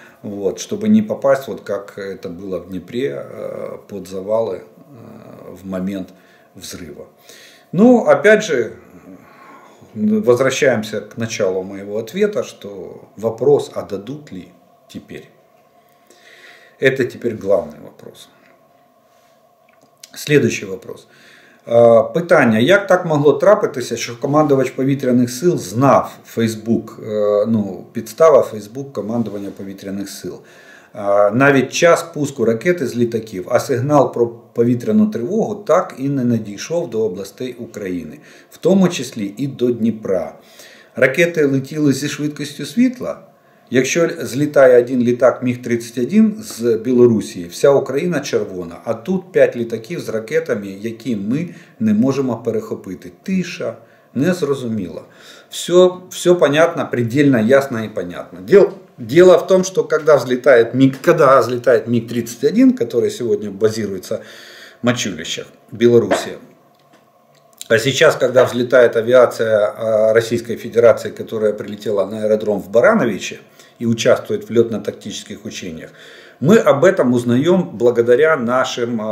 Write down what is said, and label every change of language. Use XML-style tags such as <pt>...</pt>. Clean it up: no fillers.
<ru>Вот, чтобы не попасть, вот как это было в Днепре, под завалы в момент взрыва. Ну, опять же, возвращаемся к началу моего ответа, что вопрос, а дадут ли теперь? Это теперь главный вопрос. Следующий вопрос.</ru> <uk>Питання, як так могло трапитися, що командувач повітряних сил знав Фейсбук, ну, підстава Фейсбук командування повітряних сил? Навіть час пуску ракети з літаків, а сигнал про повітряну тривогу так і не надійшов до областей України, в тому числі і до Дніпра. Ракети летіли зі швидкістю світла? Якщо злітає один літак МіГ-31 з Білорусі, вся Україна червона, а тут 5 літаків з ракетами, які ми не можемо перехопити. Тиша, незрозуміло.</uk> <ru>Все понятно, предельно ясно і понятно. Дело в том, что когда взлетает МиГ-31, который сегодня базируется в Мочулищах, Беларуси, а сейчас, когда взлетает авиация Российской Федерации, которая прилетела на аэродром в Барановиче и участвует в летно-тактических учениях, мы об этом узнаем благодаря нашей</ru>